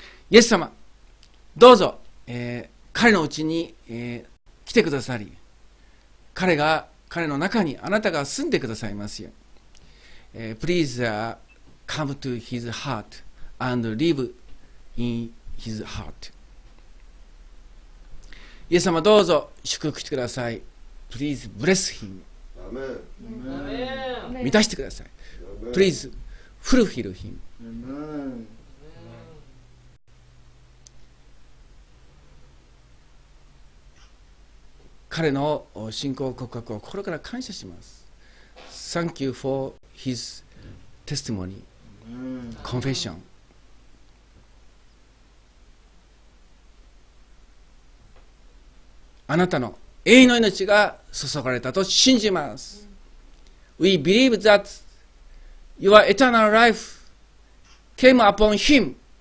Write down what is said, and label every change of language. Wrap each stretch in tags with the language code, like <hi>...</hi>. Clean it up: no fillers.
<ja>イエス様、どうぞ、彼のうちに、来てくださり、彼の中にあなたが住んでくださいますよ。</ja> <en>Please come to his heart and live in his heart.</en> <ja>イエス様どうぞ祝福してください。</ja> <en>Please bless him. Amen.</en> <ja>満たしてください。</ja> <en>Please fulfill him. Amen.</en> <ja>彼の信仰告白を心から感謝します。</ja> <en>Thank you for his testimony, confession.</en> <ja>あなたの永遠の命が注がれたと信じます。</ja> <en>We believe that your eternal life came upon him.</en>